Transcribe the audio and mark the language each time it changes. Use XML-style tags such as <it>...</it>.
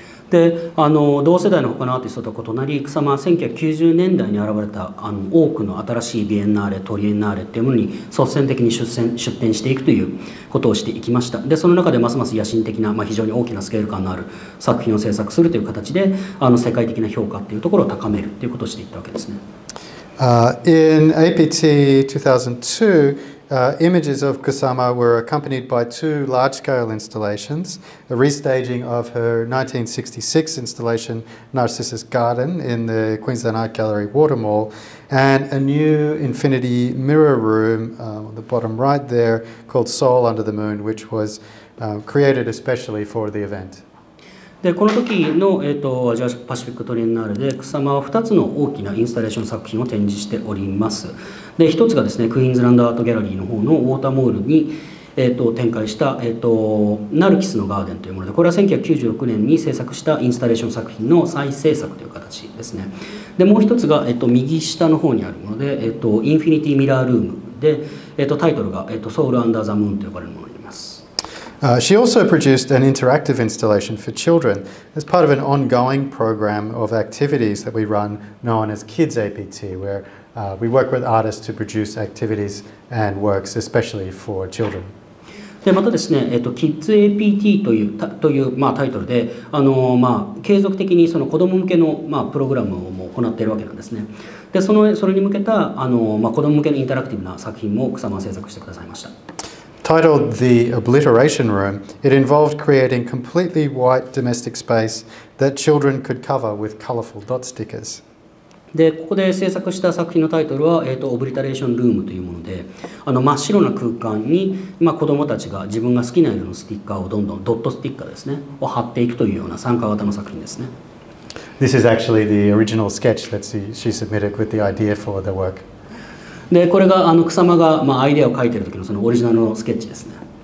<ja>で、あの同世代の他のアーティストと異なり、草間は1990年代に現れた多くの新しいビエンナーレ、トリエンナーレというものに率先的に出展していくということをしていきました。で、その中でますます野心的な、まあ、非常に大きなスケール感のある作品を制作するという形で、あの世界的な評価というところを高めるということをしていったわけですね。</ja> <en>In APT 2002, images of Kusama were accompanied by two large-scale installations, a restaging of her 1966 installation Narcissus Garden in the Queensland Art Gallery Watermall, and a new infinity mirror room on the bottom right there called Soul Under the Moon, which was created especially for the event.</en> <ja>でこの時の、アジアパシフィックトリエンナーレで草間は2つの大きなインスタレーション作品を展示しております。で1つがですね、クイーンズランドアートギャラリーの方のウォーターモールに、展開した、ナルキスのガーデンというもので、これは1996年に制作したインスタレーション作品の再制作という形ですね。でもう1つが、右下の方にあるもので、インフィニティミラールームで、タイトルが、ソウルアンダーザムーンと呼ばれるものになります。</ja> <en>She also produced an interactive installation for children as part of an ongoing program of activities that we run known as Kids APT, where we work with artists to produce activities and works especially for children.</en> <ja>でまたですね、Kids APT という、まあ、タイトルで、まあ、継続的にその子ども向けの、まあ、プログラムをも行っているわけなんですね。でそれに向けた、まあ、子ども向けのインタラクティブな作品も草間は制作してくださいました。</ja> <en>Titled The Obliteration Room, it involved creating completely white domestic space that children could cover with colorful dot stickers.</en> <ja>で、ここで制作した作品のタイトルは、Obliteration Room というもので、真っ白な空間に、まあ、子どもたちが自分が好きな色のスティッカーをどんどんドットスティッカーですね、を貼っていくというような参加型の作品ですね。</ja> <en>This is actually the original sketch that she submitted with the idea for the work.</en> <ja>でこれが草間が、まあ、アイデアを描いている時のそのオリジナルのスケッチですね。</ja>